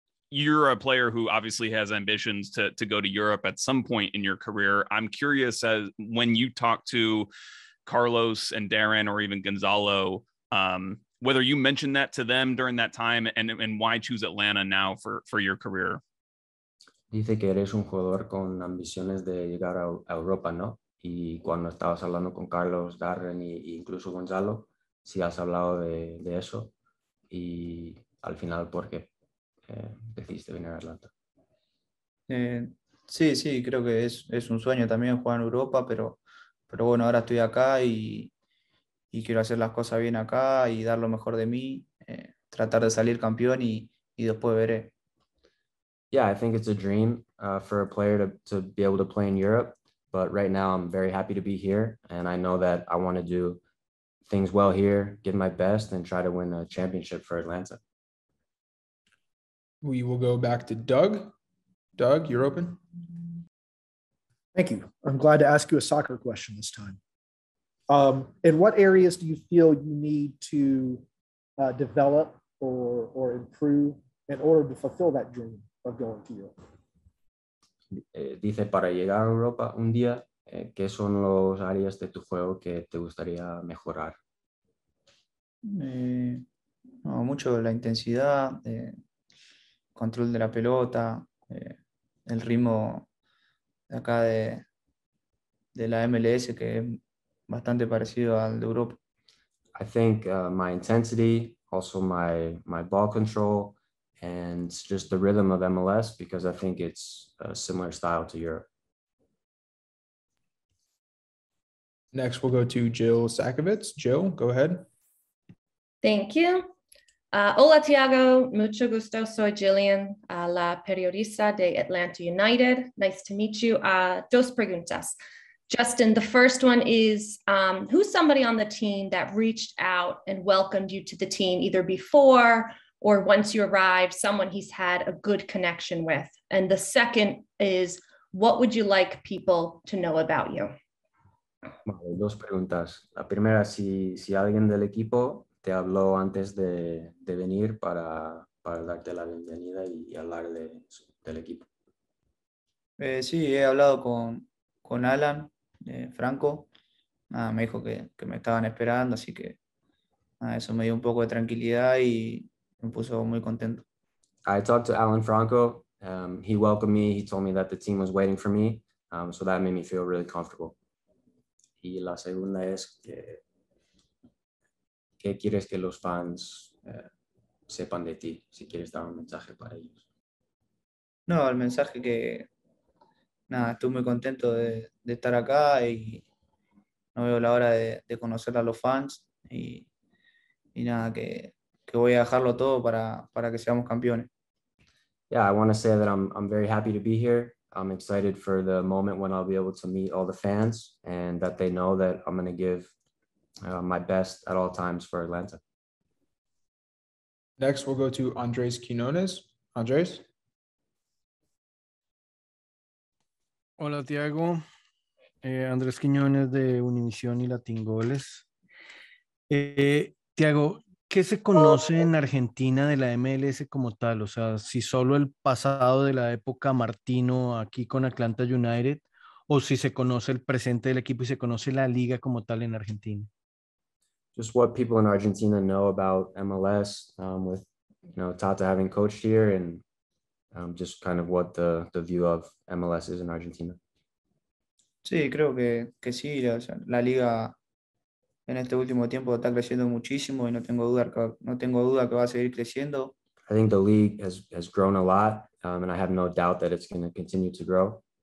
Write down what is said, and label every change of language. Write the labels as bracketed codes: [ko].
[en] You're a player who obviously has ambitions to go to Europe at some point in your career. I'm curious, as when you talk to Carlos and Darren or even Gonzalo, whether you mentioned that to them during that time and why choose Atlanta now for your career. [es] Dice que eres un jugador con ambiciones de llegar a Europa, ¿no? Y cuando estabas hablando con Carlos, Darren e incluso Gonzalo, si has hablado de eso y al final, ¿por qué decidiste venir a Atlanta? Sí, creo que es un sueño también jugar en Europa, pero bueno, ahora estoy acá y quiero hacer las cosas bien acá y dar lo mejor de mí, tratar de salir campeón y después veré. [en] Yeah, I think it's a dream for a player to be able to play in Europe. But right now, I'm very happy to be here. And I know that I want to do things well here, get my best, and try to win a championship for Atlanta. We will go back to Doug. Doug, you're open. Thank you. I'm glad to ask you a soccer question this time. In what areas do you feel you need to develop or improve in order to fulfill that dream of going to Europe? [es] Dice, para llegar a Europa un día, ¿qué son los áreas de tu juego que te gustaría mejorar? No, mucho la intensidad, control de la pelota, el ritmo de acá de la MLS, que es bastante parecido al de Europa. [en] I think my intensity, also my ball control, and it's just the rhythm of MLS, because I think it's a similar style to Europe. Next, we'll go to Jill Sakovitz. Jill, go ahead. Thank you. [es] Hola, Thiago. Mucho gusto. Soy Jillian, la periodista de Atlanta United. [en] Nice to meet you. [es] Dos preguntas. [en] Justin, the first one is, who's somebody on the team that reached out and welcomed you to the team either before or once you arrived, someone he's had a good connection with? And the second is, what would you like people to know about you? [es] Vale, dos preguntas. La primera, si alguien del equipo te habló antes de venir para darte la bienvenida y hablar del equipo. Sí, he hablado con Alan, Franco. Ah, me dijo que me estaban esperando, así que eso me dio un poco de tranquilidad y me puso muy contento. [en] I talked to Alan Franco. He welcomed me. He told me that the team was waiting for me. So that made me feel really comfortable. [es] Y la segunda es que, ¿qué quieres que los fans sepan de ti? Si quieres dar un mensaje para ellos. No, el mensaje que, nada, estoy muy contento de estar acá y no veo la hora de conocer a los fans y nada, que voy a dejarlo todo para que seamos campeones. [en] Yeah, I want to say that I'm very happy to be here. I'm excited for the moment when I'll be able to meet all the fans and that they know that I'm going to give my best at all times for Atlanta. Next, we'll go to Andres Quinones. Andres? [es] Hola, Thiago. Andres Quinones de Univision y Latin Goles. Thiago, ¿qué se conoce en Argentina de la MLS como tal? O sea, si solo el pasado de la época Martino aquí con Atlanta United, o si se conoce el presente del equipo y se conoce la liga como tal en Argentina. [en] Just what people in Argentina know about MLS, with, you know, Tata having coached here, and just kind of what the view of MLS is in Argentina. [es] Sí, creo que sí. O sea, la liga en este último tiempo está creciendo muchísimo y no tengo duda que va a seguir creciendo. [en] I think the league has grown a lot, and I have no doubt that it's going to continue to grow.